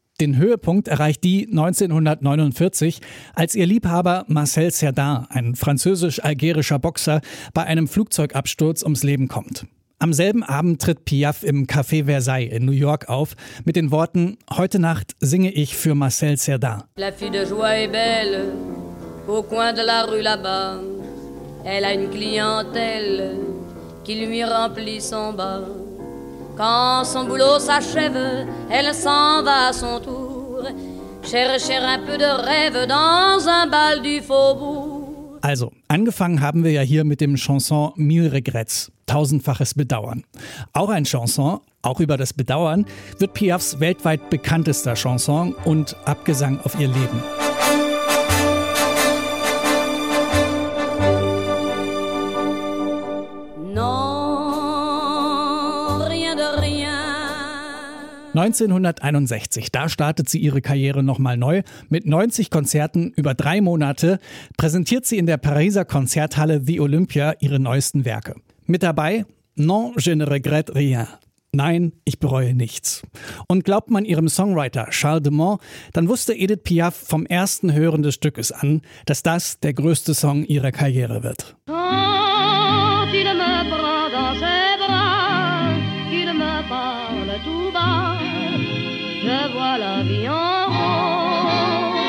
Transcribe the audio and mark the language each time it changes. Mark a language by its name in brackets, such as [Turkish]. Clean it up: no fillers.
[German] Den Höhepunkt erreicht die 1949, als ihr Liebhaber Marcel Cerdain, ein französisch-algerischer Boxer, bei einem Flugzeugabsturz ums Leben kommt. Am selben Abend tritt Piaf im Café Versailles in New York auf mit den Worten: Heute Nacht singe ich für Marcel Cerdain. [French] La fille de joie est belle au coin de la rue là-bas. Elle a une clientèle qui lui remplit son bar. Quand son boulot s'achève, elle s'en va à son tour chercher un peu de rêve dans un bal du faubourg. [German] Also, angefangen haben wir ja hier mit dem Chanson Mille Regrets, tausendfaches Bedauern. Auch ein Chanson, auch über das Bedauern, wird Piafs weltweit bekanntester Chanson und Abgesang auf ihr Leben. [French] Non, rien de rien. [German] 1961, da startet sie ihre Karriere nochmal neu. Mit 90 Konzerten über 3 Monate präsentiert sie in der Pariser Konzerthalle The Olympia ihre neuesten Werke. Mit dabei: [French] Non, je ne regrette rien. [German] Nein, ich bereue nichts. Und glaubt man ihrem Songwriter Charles Demont, dann wusste Edith Piaf vom ersten Hören des Stückes an, dass das der größte Song ihrer Karriere wird. [French] Quand il me prend dans ses bras, il me parle tout bas, je vois la vie en rose.